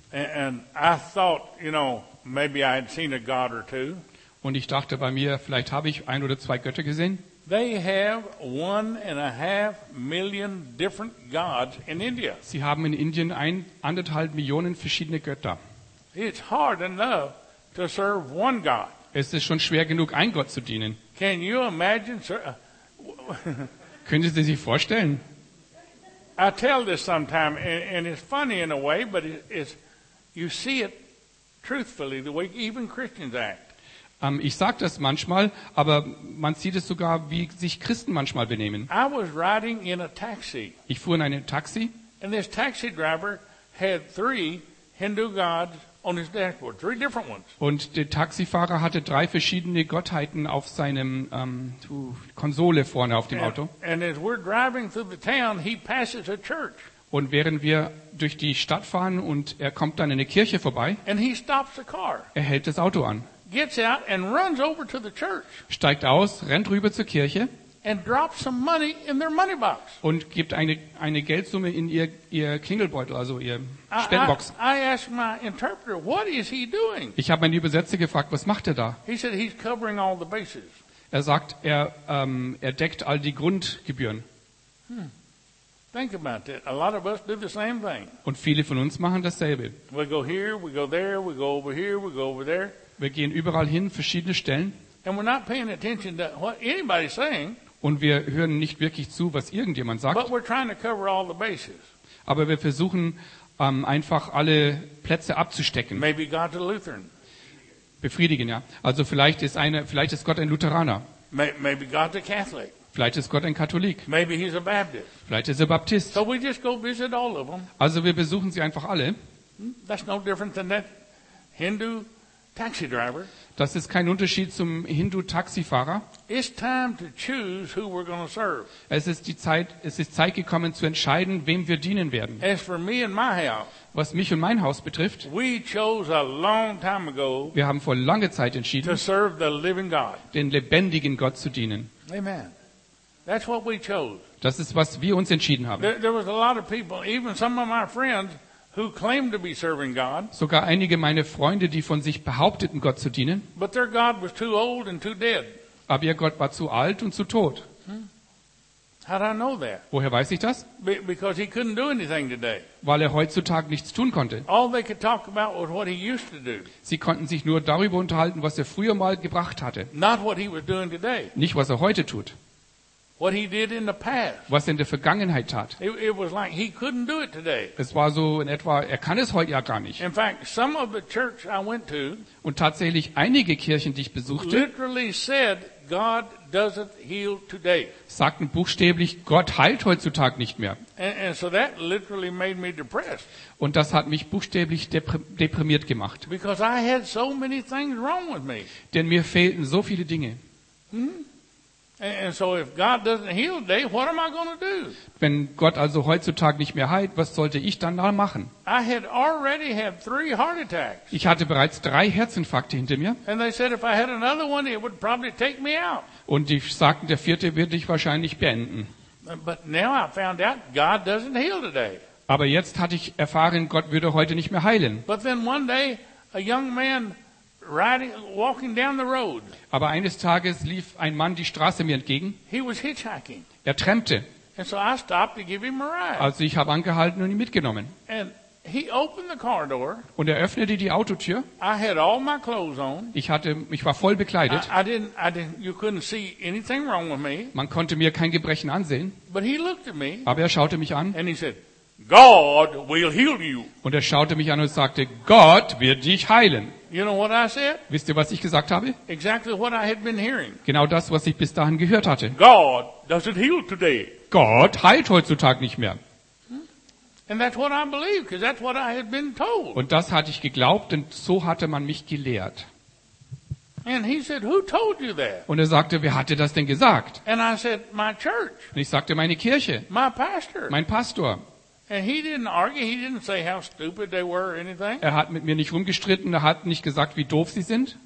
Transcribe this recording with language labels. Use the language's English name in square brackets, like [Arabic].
[English] And I thought, you know, maybe I had seen a god or two. [German] Und ich dachte bei mir, vielleicht habe ich ein oder zwei Götter gesehen. [English] They have 1.5 million different gods in India. [German] Sie haben in Indien 1,5 Millionen verschiedene Götter. [English] It's hard enough to serve one god. [German] Es ist schon schwer genug, ein Gott zu dienen. [English] Can you imagine, sir? [German] Können Sie sich vorstellen? [English] I tell this sometime, and it's funny in a way, but it's you see it truthfully the way even Christians act. [German] Ich sage das manchmal, aber man sieht es sogar, wie sich Christen manchmal benehmen. [English] I was riding in a taxi. [German] Ich fuhr in einem Taxi. [English] And this taxi driver had three Hindu gods on his dashboard, three different ones. [German] Und der Taxifahrer hatte drei verschiedene Gottheiten auf seinem Konsole vorne auf dem Auto. [English] And as we're driving through the town, he passes a church. [German] Und während wir durch die Stadt fahren und er kommt dann in eine Kirche vorbei, [English] and he stops the car. [German] Er hält das Auto an. [English] Gets out and runs over to the church. [German] Steigt aus, rennt rüber zur Kirche. [English] And drops some money in their money box. [German] Und gibt eine Geldsumme in ihr Klingelbeutel, also ihr Spendenbox. [English] I asked my interpreter, what is he doing? [German] Ich habe meinen Übersetzer gefragt, was macht er da? [English] He said he's covering all the bases. [German] Er sagt, er deckt all die Grundgebühren. [English] Think about that. A lot of us do the same thing. [German] Und viele von uns machen dasselbe. [English] We go here, we go there, we go over here, we go over there. [German] Wir gehen überall hin, verschiedene Stellen. [English] And we're not paying attention to what anybody's saying. [German] Und wir hören nicht wirklich zu, was irgendjemand sagt. [English] But we're trying to cover all the bases. [German] Aber wir versuchen einfach alle Plätze abzustecken. [English] Maybe God's a Lutheran. [German] Befriedigen, ja. Also vielleicht ist Gott ein Lutheraner. [English] Maybe God's a Catholic. [German] Vielleicht ist Gott ein Katholik. [English] Maybe he's a Baptist. [German] Vielleicht ist er Baptist. [English] So we just go visit all of them. [German] Also wir besuchen sie einfach alle. [English] That's no different than that Hindu taxi driver. [German] Das ist kein Unterschied zum Hindu-Taxifahrer. [English] It's time to choose who we're gonna serve. [German] Es ist Zeit gekommen zu entscheiden, wem wir dienen werden. [English] As for me and my house, [German] was mich und mein Haus betrifft, [English] we chose a long time ago, [German] wir haben vor langer Zeit entschieden, [English] to serve the living God. [German] Den lebendigen Gott zu dienen. [English] Amen. That's what we chose. [German] Das ist, was wir uns entschieden haben. [English] There was a lot of people, even some of my friends, who claimed to be serving God. [German] Sogar einige meiner Freunde, die von sich behaupteten, Gott zu dienen. [English] But their God was too old and too dead. [German] Aber ihr Gott war zu alt und zu tot. [English] How did I know that? [German] Woher weiß ich das? [English] Because he couldn't do anything today. [German] Weil er heutzutage nichts tun konnte. [English] All they could talk about was what he used to do. [German] Sie konnten sich nur darüber unterhalten, was er früher mal gebracht hatte. [English] Not what he was doing today. [German] Nicht, was er heute tut. [English] What he did in the past. [German] Was er in der Vergangenheit tat. [English] It was like he couldn't do it today. [German] Es war so in etwa, er kann es heute ja gar nicht. [English] In fact, some of the church I went to, [German] und tatsächlich einige Kirchen, die ich besuchte, [English] literally said, God doesn't heal today. [German] Sagten buchstäblich, Gott heilt heutzutage nicht mehr. [English] And so that literally made me depressed. [German] Und das hat mich buchstäblich deprimiert gemacht. [English] Because I had so many things wrong with me. [German] Denn mir fehlten so viele Dinge. [English] And so if God doesn't heal today, what am I going to do? [German] Wenn Gott also heutzutage nicht mehr heilt, was sollte ich dann da machen? [English] I had already had three heart attacks. [German] Ich hatte bereits drei Herzinfarkte hinter mir. [English] And they said if I had another one, it would probably take me out. [German] Und die sagten, der vierte wird dich wahrscheinlich beenden. [English] But now I found out God doesn't heal today. [German] Aber jetzt hatte ich erfahren, Gott würde heute nicht mehr heilen. [English] But then one day a young man riding, walking down the road. [German] Aber eines Tages lief ein Mann die Straße mir entgegen. [English] He was hitchhiking. [German] Er trampte. [English] And so I stopped to give him a ride. [German] Also ich habe angehalten und ihn mitgenommen. [English] And he opened the car door. [German] Und er öffnete die Autotür. [English] I had all my clothes on. [German] Ich war voll bekleidet. [English] You couldn't see anything wrong with me. [German] Man konnte mir kein Gebrechen ansehen. [English] But he looked at me. [German] Aber er schaute mich an. [English] And he said, God will heal you. [German] Und er schaute mich an und sagte, Gott wird dich heilen. [English] You know what I said? [German] Wisst ihr, was ich gesagt habe? [English] Exactly what I had been hearing. [German] Genau das, was ich bis dahin gehört hatte. [English] God doesn't heal today. [German] Gott heilt heutzutage nicht mehr. [English] And that's what I believe, because that's what I had been told. [German] Und das hatte ich geglaubt, und so hatte man mich gelehrt. [English] And he said, who told you that? [German] Und er sagte, wer hat dir das denn gesagt? [English] And I said, my church. [German] Und ich sagte, meine Kirche. [English] My pastor. [German] Mein Pastor. [English] And he didn't argue, he didn't say how stupid they were or anything. [German] Er hat mit mir nicht rumgestritten, er hat nicht gesagt, wie doof sie sind.